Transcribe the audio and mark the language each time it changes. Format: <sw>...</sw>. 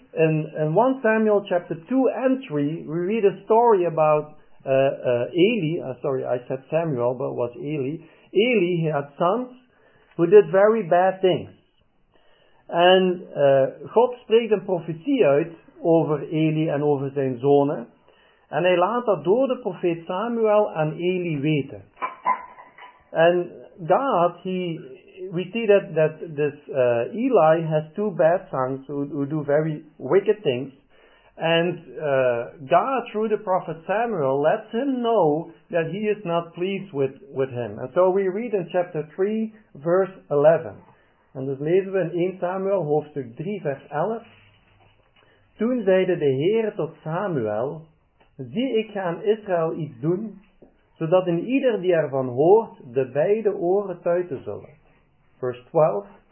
<en>In 1 Samuel chapter 2 and 3, we read a story about Eli. Eli, he had sons who did very bad things.</en> <nl>En God spreekt een profetie uit over Eli en over zijn zonen. En hij laat dat door de profeet Samuel aan Eli weten.</nl> <en>En God, we see that this Eli has two bad sons who do very wicked things. And God, through the prophet Samuel, lets him know that he is not pleased with him. And so we read in chapter 3, verse 11.</en> <nl>En dus lezen we in 1 Samuel, hoofdstuk 3, vers 11. Toen zeide de Heere tot Samuel, zie ik aan Israël iets doen, zodat in ieder die ervan hoort, de beide oren tuiten zullen. Vers 12.</nl>